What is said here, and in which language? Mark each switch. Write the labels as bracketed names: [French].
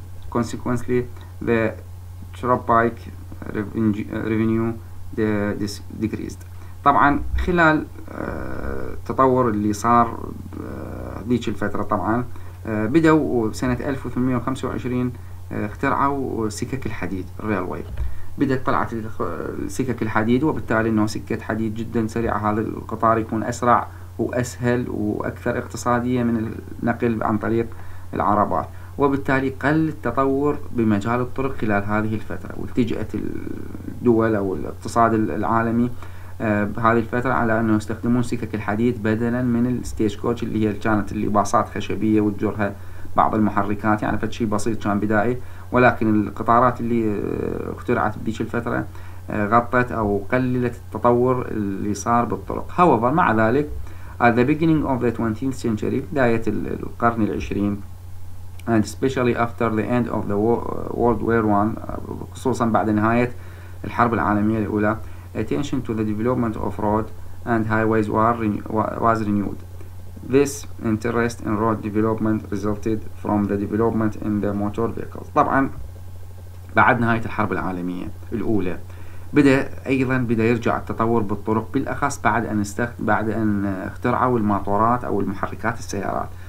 [English] Consequently, the turnpike revenue decreased. [Arabic] طبعا خلال التطور اللي صار ذيك الفترة طبعا بدأوا سنة 1825 اخترعوا سكك الحديد الريلواي بدأت طلعت سكك الحديد وبالتالي انه سكة حديد جدا سريعة هذا القطار يكون اسرع واسهل واكثر اقتصادية من النقل عن طريق العربات وبالتالي قل التطور بمجال الطرق خلال هذه الفترة والتجأت الدول او الاقتصاد العالمي بهذه الفترة على انه يستخدمون سكك الحديد بدلا من الستيج كوتش اللي هي كانت اللي باصات خشبية وتجرها بعض المحركات يعني فد شيء بسيط كان بدائي ولكن القطارات اللي اخترعت بذيك الفترة غطت او قللت التطور اللي صار بالطرق. [English] However [Arabic] مع ذلك [English] at the beginning of the 20th century [Arabic] بداية القرن العشرين [English] and especially after the end of the World War I [Arabic] خصوصا بعد نهاية الحرب العالمية الأولى [English] attention to the development of road and highways was renewed. This interest in road development resulted from the development in the motor vehicles. [Arabic] طبعا بعد نهاية الحرب العالمية الأولى بدأ أيضا بدأ يرجع التطور بالطرق بالأخص بعد أن اخترعوا الماطورات أو المحركات السيارات.